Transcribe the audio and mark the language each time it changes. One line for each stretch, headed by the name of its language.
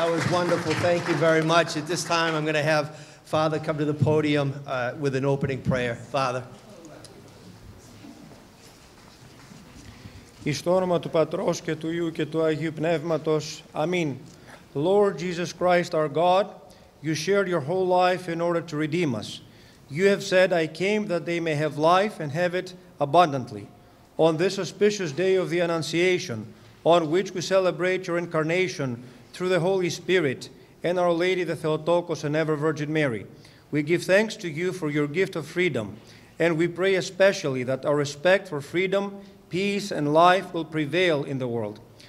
English: Wonderful. Thank you very much. At this time, I'm going to have Father come to the podium with an opening prayer. Father.
Greek: Εις το όνομα του Πατρός και του Υιού και του Αγίου Πνεύματος. Αμήν.
English: Lord Jesus Christ, our God, you shared your whole life in order to redeem us. You have said, I came that they may have life and have it abundantly. On this auspicious day of the Annunciation, on which we celebrate your incarnation, through the Holy Spirit and Our Lady, the Theotokos and Ever Virgin Mary, we give thanks to you for your gift of freedom, and we pray especially that our respect for freedom, peace, and life will prevail in the world.